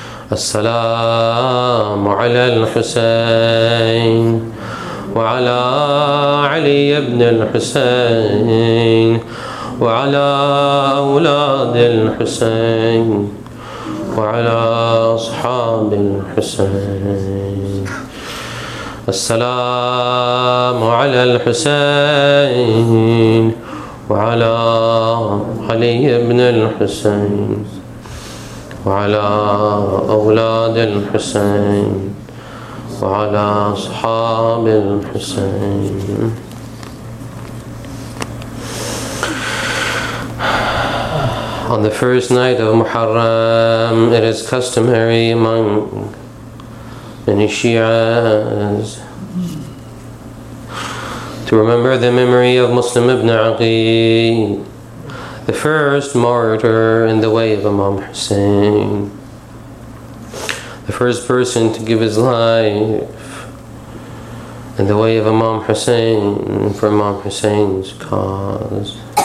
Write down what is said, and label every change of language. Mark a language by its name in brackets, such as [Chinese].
[Arabic] As-salamu ala al-Husayn, wa ala Ali ibn al-Husayn, وعلى أولاد الحسين وعلى أصحاب الحسين. السلام على الحسين وعلى علي بن الحسين وعلى أولاد الحسين وعلى أصحاب الحسين. [English] On the first night of Muharram, it is customary among many Shias to remember the memory of Muslim ibn Aqil, the first martyr in the way of Imam Hussein, the first person to give his life in the way of Imam Hussein for Imam Hussein's cause.